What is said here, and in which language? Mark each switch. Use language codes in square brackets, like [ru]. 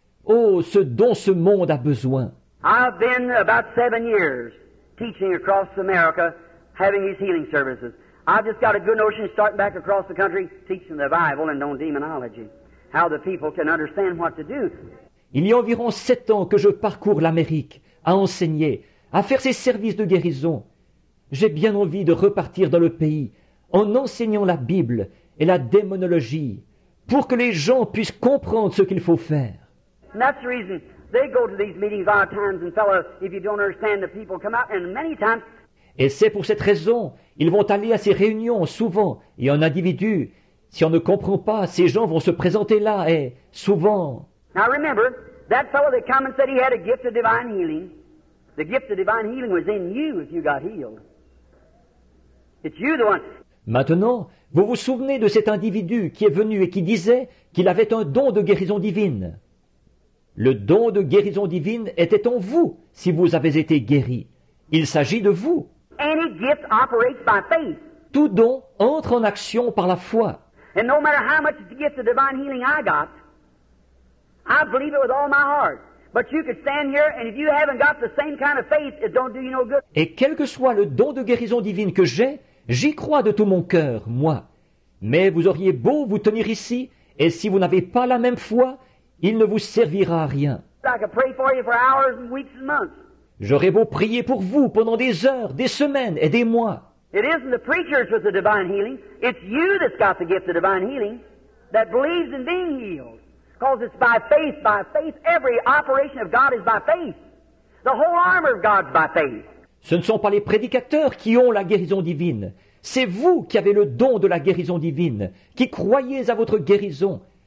[fr] Oh, ce dont ce monde a besoin. [en] I've been about 7 years teaching across America, having these healing services. I've just got a good notion starting back across the country teaching the Bible and on demonology, how the people can understand what to do. [fr] Il y a environ 7 ans que je parcours l'Amérique à enseigner, à faire ces services de guérison. J'ai bien envie de repartir dans le pays en enseignant la Bible et la démonologie, pour que les gens puissent comprendre ce qu'il faut faire. [en] And that's the reason they go to these meetings a lot of times, and fellows, if you don't understand, the people come out, and many times... [fr] Et c'est pour cette raison, ils vont aller à ces réunions souvent, et en individu, si on ne comprend pas, ces gens vont se présenter là, et souvent... [en] Now remember, that fellow that came and said he had a gift of divine healing, the gift of divine healing was in you if you got healed. It's you the one... [fr] Maintenant, vous vous souvenez de cet individu qui est venu et qui disait qu'il avait un don de guérison divine. Le don de guérison divine était en vous si vous avez été guéri. Il s'agit de vous. [en] Any gift operates by faith. [fr] Tout don entre en action par la foi. [en] And no matter how much gift of divine healing I got, I believe it with all my heart. But you could stand here, and if you haven't got the same kind of faith, it don't do you no good. [fr] Et quel que soit le don de guérison divine que j'ai, j'y crois de tout mon cœur, moi. Mais vous auriez beau vous tenir ici, et si vous n'avez pas la même foi, il ne vous servira à rien. [en] I could pray for you for hours and weeks and months. [fr] J'aurais beau prier pour vous pendant des heures, des semaines et des mois. [en] It isn't the preachers with the divine healing. It's you that's got the gift of divine healing that believes in being healed. Because it's by faith, every operation of God is by faith. The whole armor of God is by faith. [fr] Ce ne sont pas les prédicateurs qui ont la guérison divine. C'est vous qui avez le don de la guérison divine, qui croyez à votre guérison.